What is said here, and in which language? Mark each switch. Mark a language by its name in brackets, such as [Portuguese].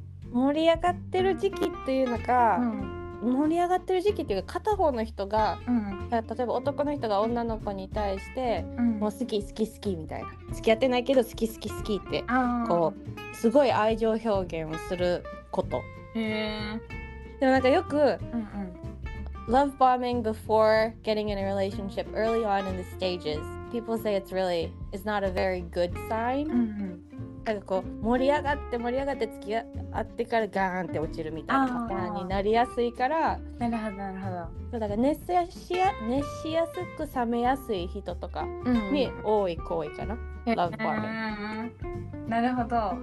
[Japanese] 盛り上がってる時期っていうのか、盛り上がってる時期っていうか、片方の人が、例えば男の人が女の子に対して、もう好き好き好きみたいな、付き合ってないけど好き好き好きってこうすごい愛情表現をすること。へー、でもなんかよく、 [English] love bombing before getting in a relationship early on in the stages, people say it's not a very good sign. [Japanese] なんかこう盛り上がって盛り上がって付き合ってからガーンって落ちるみたいなパターンになりやすいから。なるほどなるほど。そうだから、熱しやすく冷めやすい人とかに多い行為かな、love bombing。なるほど。